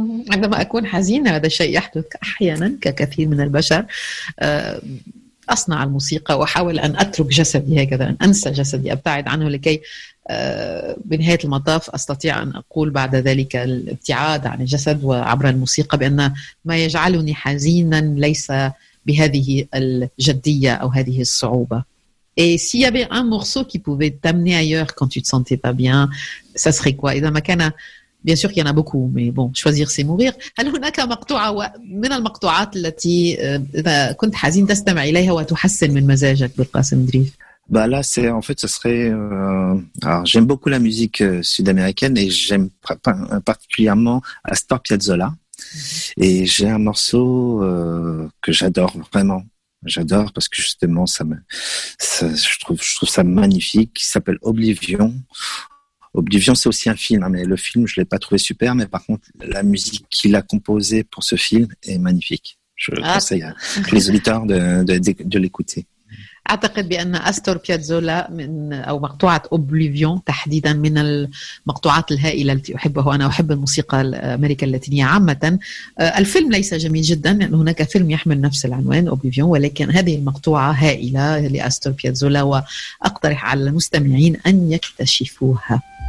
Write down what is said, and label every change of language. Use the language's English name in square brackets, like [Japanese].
[Arabic] عندما أكون حزين هذا الشيء يحدث أحيانا ككثير من البشر أصنع الموسيقى وأحاول أن أترك جسدي هكذا أن أنسى جسدي أبتعد عنه لكي بنهاية المطاف أستطيع أن أقول بعد ذلك الابتعاد عن الجسد وعبر الموسيقى بأن ما يجعلني حزينا ليس بهذه الجدية أو هذه الصعوبة. [French] Et s'il y avait un morceau qui pouvait t'amener ailleurs quand tu te sentais pas bien, ça serait quoi? [Arabic] إذا ما كان [French] Bien sûr qu'il y en a beaucoup, mais bon, choisir c'est mourir. Alors, il y a un morceau de la morceau qui, quand tu es triste, tu t'entends et tu t'améliores de ton mood avec Qasem Drif. Bah là, c'est en fait, ça serait. Alors, j'aime beaucoup la musique sud-américaine et j'aime particulièrement Astor Piazzolla. Et j'ai un morceau que j'adore vraiment. J'adore parce que justement, je trouve ça magnifique. Il s'appelle Oblivion. Oblivion, c'est aussi un film, hein, mais le film, je ne l'ai pas trouvé super, mais par contre, la musique qu'il a composée pour ce film est magnifique. Je conseille à tous les auditeurs de l'écouter. [Arabic] أعتقد بأن أستور بيازولا من أو مقطوعة أوبليفيون تحديدا من المقطوعات الهائلة التي أحبها وأنا أحب الموسيقى الأمريكية اللاتينية عامة. الفيلم ليس جميل جدا لأن هناك فيلم يحمل نفس العنوان أوبليفيون ولكن هذه المقطوعة هائلة لأستور بيازولا وأقترح على المستمعين أن يكتشفوها.